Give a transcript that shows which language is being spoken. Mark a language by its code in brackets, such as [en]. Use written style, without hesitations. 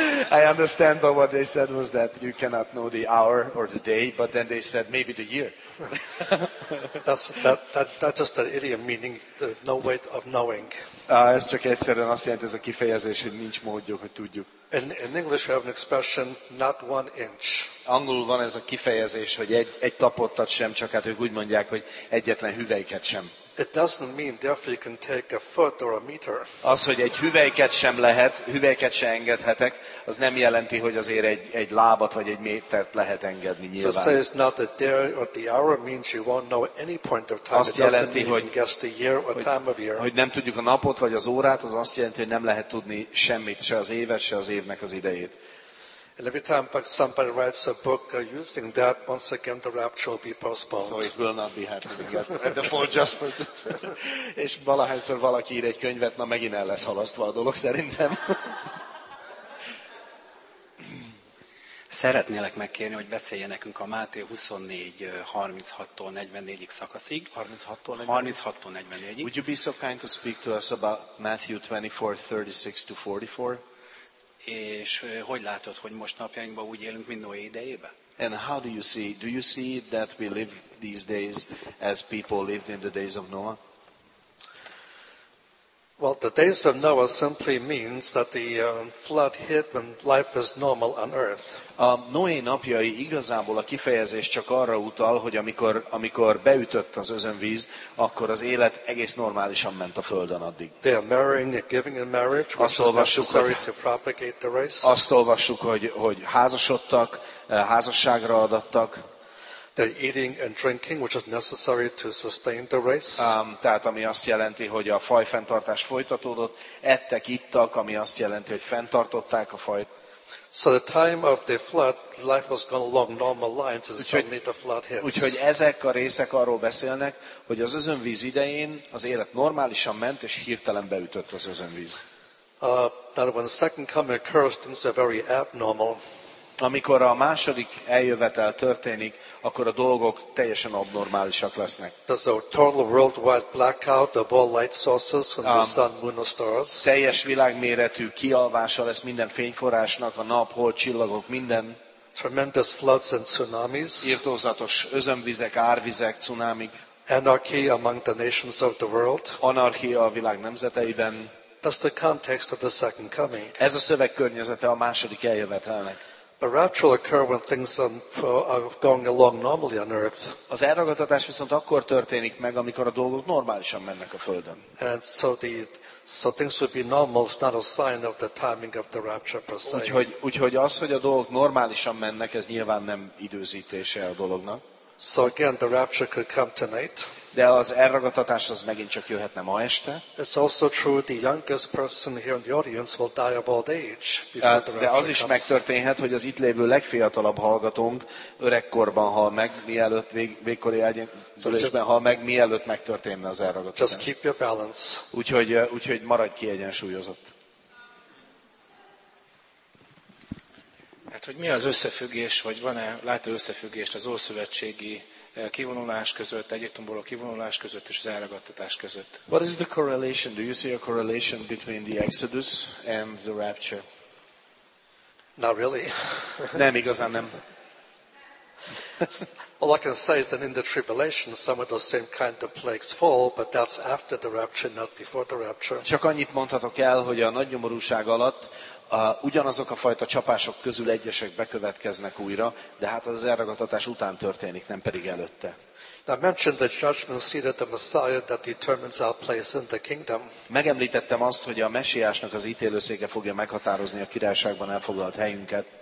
[en] I understand, but what they said was that you cannot know the hour or the day, but then they said maybe the year. that's just an idiom meaning no way of knowing. [hu] Ez csak egyszerűen azt jelenti, ez a kifejezés, hogy nincs módjuk, hogy tudjuk. [en] In English we have an expression, not one inch. [hu] Angolul van ez a kifejezés, hogy egy tapottat sem, csak hát ők úgy mondják, hogy egyetlen hüvelyket sem. [en] It doesn't mean therefore you can take a foot or a meter. [hu] Az, hogy egy hüvelyket sem lehet, hüvelyket sem engedhetek, az nem jelenti, hogy azért egy lábat vagy egy métert lehet engedni nyilván. [en] So say it's not the day or the hour means you won't know any point of time. [hu] Azt jelenti, hogy [en] guess the year or time of year. [hu] Hogy nem tudjuk a napot vagy az órát, az azt jelenti, hogy nem lehet tudni semmit, se az évet, se az évnek az idejét. [en] And every time somebody writes a book using that, once again the rapture will be postponed. So it will not be happening. The fall just for [hu] és valahányszor valaki ír egy könyvet, na megint el lesz halasztva a dolog szerintem. Szeretnélek megkérni, hogy beszélje nekünk a Máté 24:36-tól 44-ig szakaszig. 36-tól 44-ig. [en] Would you be so kind to speak to us about Matthew 24:36-44? [hu] És hogy látod, hogy most napjainkban úgy élünk, mint Noé idejében? [en] And how do you see? Do you see that we live these days as people lived in the days of Noah? Well, the days of Noah simply means that the flood hit and life is normal on earth. [hu] A Noé napjai igazából a kifejezés csak arra utal, hogy amikor beütött az özönvíz, akkor az élet egész normálisan ment a földön addig. [en] They are marrying, they're giving in marriage, which is necessary to propagate the race. [hu] Azt olvassuk, hogy házasodtak, házasságra adattak. [en] They're eating and drinking, which is necessary to sustain the race. [hu] Tehát ami azt jelenti, hogy a faj fenntartás folytatódott, ettek, ittak, ami azt jelenti, hogy fenntartották a fajt. [en] So the time of the flood, life was going along normal lines, and suddenly the flood hits. [hu] Úgyhogy ezek a részek arról beszélnek, hogy az özönvíz idején az élet normálisan ment, és hirtelen beütött az özönvíz. [en] That when the second coming occurs, things are very abnormal. [hu] Amikor a második eljövetel történik, akkor a dolgok teljesen abnormálisak lesznek. [en] There's a total worldwide blackout of all light sources from the sun, moon, and stars. [hu] Teljes világméretű kialvása lesz minden fényforrásnak, a nap, hold, csillagok, minden. [en] Tremendous floods and tsunamis. [hu] Irtózatos özönvizek, árvizek, cunamik. [en] Anarchy among the nations of the world. [hu] Anarchia a világ nemzeteiben. [en] That's the context of the second coming. [hu] Ez a szöveg környezete a második eljövetelnek. [en] A rapture will occur when things are going along normally on earth. [hu] Az elragadtatás viszont akkor történik meg, amikor a dolgok normálisan mennek a földön. [en] And so things would be normal is not a sign of the timing of the rapture per se. [hu] Úgyhogy az, hogy a dolgok normálisan mennek, ez nyilván nem időzítése a dolognak. [en] So again, the rapture could come tonight. [hu] De az elragadtatás az megint csak jöhetne ma este. [en] It's also true the youngest person here in the audience will die of old age. [hu] De az is megtörténhet, hogy az itt lévő legfiatalabb hallgatónk öregkorban hal meg, mielőtt végkori egyenlőségben hal meg, mielőtt megtörténne az elragadtatás. [en] Just keep your balance. [hu] Úgyhogy maradj kiegyensúlyozott. Hát, hogy mi az összefüggés, vagy van-e látható összefüggést az ószövetségi kivonulás között, Egyiptomból a kivonulás között és az elragadtatás között? [en] What is the correlation? Do you see a correlation between the Exodus and the rapture? Not really. [hu] Nem, igazán nem. [en] All I can say is that in the tribulation some of those same kind of plagues fall, but that's after the rapture, not before the rapture. [hu] Csak annyit mondhatok el, hogy a nagy nyomorúság alatt ugyanazok a fajta csapások közül egyesek bekövetkeznek újra, de hát az elragadtatás után történik, nem pedig előtte. [en] I mentioned the judgment seat of the Messiah that determines our place in the kingdom. [hu] Megemlítettem azt, hogy a Messiásnak az ítélőszéke fogja meghatározni a királyságban elfoglalt helyünket.